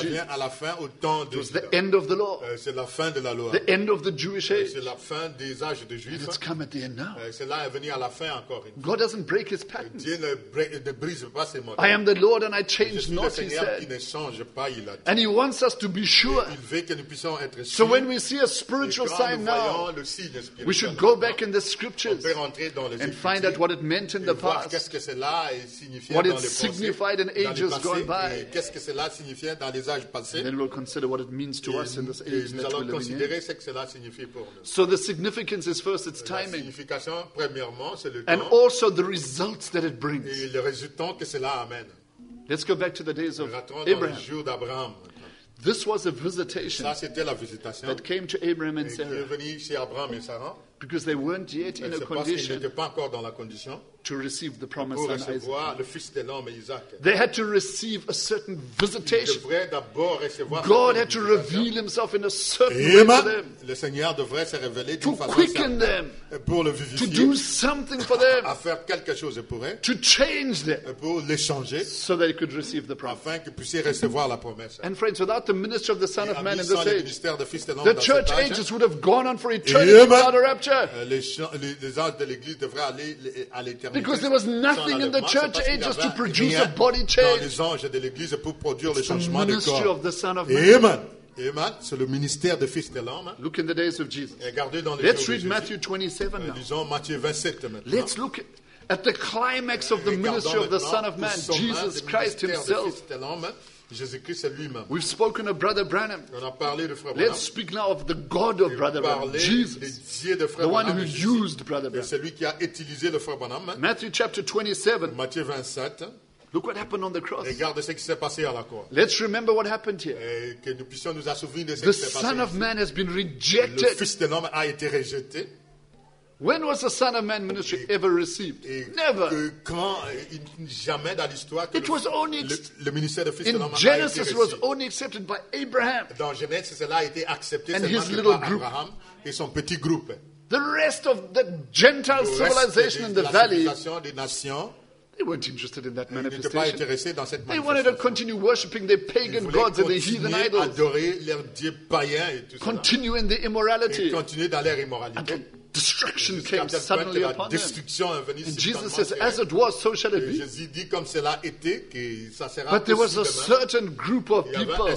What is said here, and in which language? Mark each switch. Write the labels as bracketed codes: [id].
[fr] Ça vient à la fin au temps de [en] it was the end of the law. [fr] C'est la fin de la loi. [en] The end of the Jewish age. [fr] C'est la fin des âges des Juifs. [en] And it's come at the end now. [fr] Cela est venu à la fin encore une fois. [en] God doesn't break his patterns. [fr] Dieu ne brise pas ses modèles. [en] I am the Lord and I change not, he said. [fr] Qui ne change pas, il a dit. [en] And he wants us to be sure. [fr] Il veut que nous puissions être sûrs. [en] So when we see a spiritual sign now, [fr] le signe spirituel [en] we should go back in the scriptures [fr] on peut rentrer dans les [en] and find out what it meant in the past, [fr] qu'est-ce que cela signifiait [en] what [fr] dans [en] it [fr] les pensées, [en] signified in ages [fr] dans les passés, [en] gone by. [fr] Et qu'est-ce que cela signifiait dans les âges passés, [en] and then we'll consider what it means to us in this age. [fr] Et nous allons considérer ce que cela signifie pour nous. [en] So the significance is first its timing. [fr] La signification, premièrement, c'est le temps, [en] and also the results that it brings. [fr] Et le résultat que cela amène. [en] Let's go back to the days of [fr] Abraham. Jours d'Abraham. [en] This was a visitation, [fr] ça, c'était la visitation [en] that came to Abraham and Sarah. [fr] Qui est venu chez Abraham et Sarah. [en] Because they weren't yet in a condition, [fr] parce qu'ils n'étaient pas encore dans la condition [en] to receive the promise [fr] pour recevoir le fils de l'homme Isaac. [en] They had to receive a certain visitation. [fr] Ils devraient d'abord recevoir [en] God had to reveal himself in a certain way for them. [fr] Le Seigneur devrait se révéler [en] to quicken them, [fr] pour le vivifier, [en] to do something for them, [fr] à faire quelque chose pour eux, [en] to change them, [fr] pour les changer, [en] so they could receive the promise. [fr] Afin qu'ils puissent recevoir la promesse. [en] And friends, without the ministry of the Son [fr] et [en] of Man in this age, [fr] ministère de fils de l'homme [en] the [fr] dans [en] church [fr] cet [en] ages would have gone on for eternity without a rapture. [fr] Les âges de l'église devraient aller à l'éternité. [en] Because there was nothing in the church ages to produce a body change. [fr] Dans les anges de l'église pour produire le changement de corps. [en] Ministry of the Son of Man. Amen. [fr] C'est le ministère du Fils de l'homme. [en] Look in the days of Jesus. [fr] Regardez dans les [en] Let's [fr] jours [en] read [fr] de [en] Matthew [fr] Jésus. [en] 27 now. [fr] Lisons Matthieu 27 maintenant. [en] Let's look at the climax of the ministry of the Son of Man, Jesus Christ himself. [fr] Jésus-Christ est lui-même. [en] We've spoken of Brother Branham. [fr] On a parlé de Frère Branham. [en] Speak now of the God of [fr] et [en] Brother Branham, Jesus, [fr] de Frère [en] the [fr] Branham [en] one who used Brother Branham. [fr] C'est lui qui a utilisé le Frère Branham. [en] Matthew chapter 27. [fr] Matthieu 27. [en] Look what happened on the cross. [fr] Regarde ce qui s'est passé à la croix. [en] Let's remember what happened here. [fr] Et que nous puissions nous assouvenir de ce [en] the [fr] qui s'est [en] Son [fr] passé [en] of ici. Man has been rejected. [fr] Le Fils de l'homme a été rejeté. [en] When was the Son of Man ministry ever received? Never. [fr] Quand, jamais dans l'histoire que [en] it was only [fr] le ministère de Fils de l'homme a été [en] reçu. Genesis was only accepted by Abraham. [fr] Dans Genèse, cela a été accepté [en] and [fr] seulement [en] his little [fr] par [en] group. [fr] Abraham et son petit groupe. [en] The rest of the Gentile civilization in the valley. They weren't interested in that manifestation. They wanted to continue worshiping their pagan gods and their heathen idols. [fr] Adorer leurs dieux païens et tout [en] continue in their immorality. [fr] Et continuer dans leur immoralité. [en] And then destruction came suddenly [fr] la [en] upon [fr] destruction [en] them. [fr] Venue [en] and Jesus says, as it was, so shall it be. [fr] Jésus dit comme cela était, que ça sera [en] but there was a certain group of people